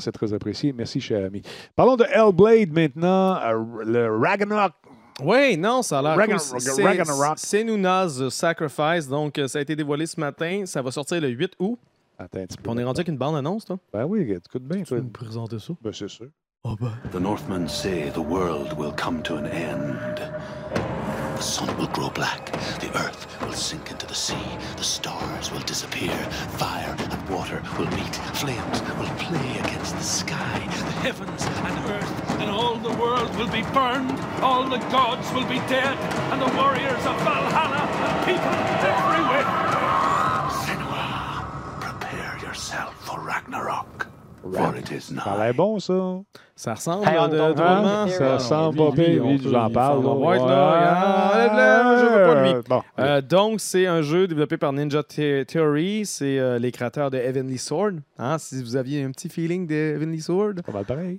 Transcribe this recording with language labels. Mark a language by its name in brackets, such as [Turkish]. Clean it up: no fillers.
[French] C'est très apprécié. Merci, cher ami. Parlons de Hellblade maintenant. Le Ragnarok. Oui, non, ça a l'air cool. Senua's Sacrifice, donc ça a été dévoilé ce matin. Ça va sortir le 8 août. Attends, on est rendu avec une bande-annonce, toi? Ben oui, écoute bien. Tu peux nous présenter ça? Ben c'est sûr. Oh ben. [English] The Northmen say the world will come to an end. The sun will grow black. The earth will sink into the sea. The stars will disappear. Fire and water will meet. Flames will play against the sky. The heavens and earth. And all the world will be burned, all the gods will be dead, and the warriors of Valhalla, the people everywhere. Senua, prepare yourself for Ragnarok, for it is nigh. [French] Ça a l'air bon, ça. Ça ressemble à de vraiment. Hein? Ça ressemble pas bien, lui, j'en parle. Là. Ouais, là, je veux pas lui. Bon, donc, c'est un jeu développé par Ninja Theory. C'est les créateurs de Heavenly Sword. Hein, si vous aviez un petit feeling de Heavenly Sword. Pas mal pareil.